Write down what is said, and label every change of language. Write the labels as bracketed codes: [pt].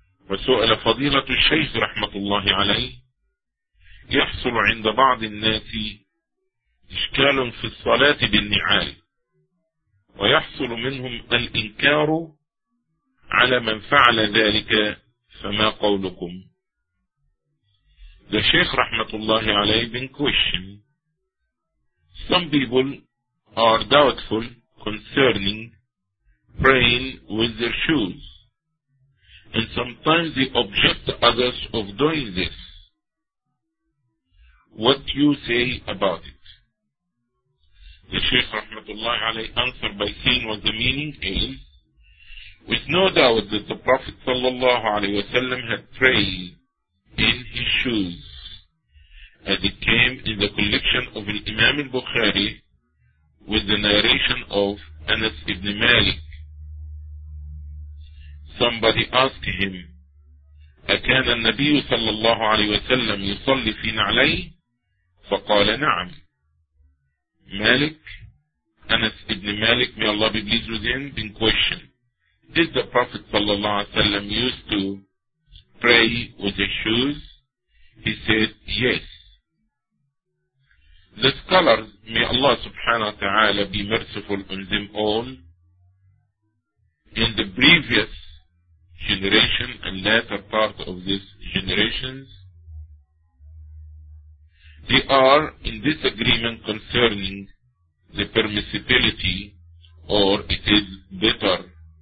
[ar] وسؤال فضيلة الشيخ رحمة الله عليه يحصل عند بعض الناس إشكال في الصلاة بالنعال ويحصل منهم الإنكار على من فعل ذلك فما قولكم؟ [en] The Sheikh رحمة الله عليه been questioning. Some people are doubtful concerning praying with their shoes. And sometimes they object others of doing this. What do you say about it? The Shaykh rahmatullahi alayhi answered by saying what the meaning is, with no doubt that the Prophet sallallahu alayhi wa sallam had prayed in his shoes, as it came in the collection of an Imam al-Bukhari with the narration of Anas ibn Malik. Somebody asked him, [ar] أكان النبي صلى الله عليه وسلم يصلي في نعلي؟ فقال نعم. [en] Malik, Anas ibn Malik, may Allah be pleased with him, been questioned. Did the Prophet صلى الله عليه وسلم used to pray with his shoes? He said, yes. The scholars, may Allah subhanahu wa ta'ala be merciful on them all, in the previous generation and latter part of these generations, they are in disagreement concerning the permissibility, or it is better.